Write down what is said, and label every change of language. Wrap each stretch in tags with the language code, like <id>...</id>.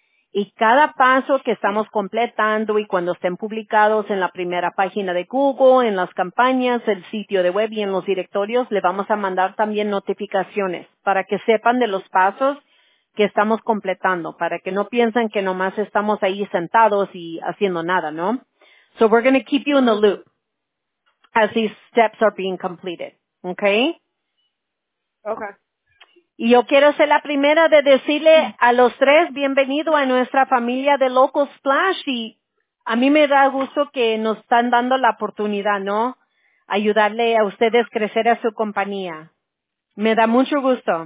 <es>Y cada paso que estamos completando y cuando estén publicados en la primera página de Google, en las campañas, el sitio de web y en los directorios, le vamos a mandar también notificaciones para que sepan de los pasos que estamos completando, para que no piensen que nomás estamos ahí sentados y haciendo nada, ¿no?</es> <en>So we're going to keep you in the loop as these steps are being completed, okay? Okay.</en> <es>Y yo quiero ser la primera de decirle a los tres, bienvenido a nuestra familia de Local Splash, y a mí me da gusto que nos están dando la oportunidad, ¿no? Ayudarle a ustedes crecer a su compañía. Me da mucho gusto.</es>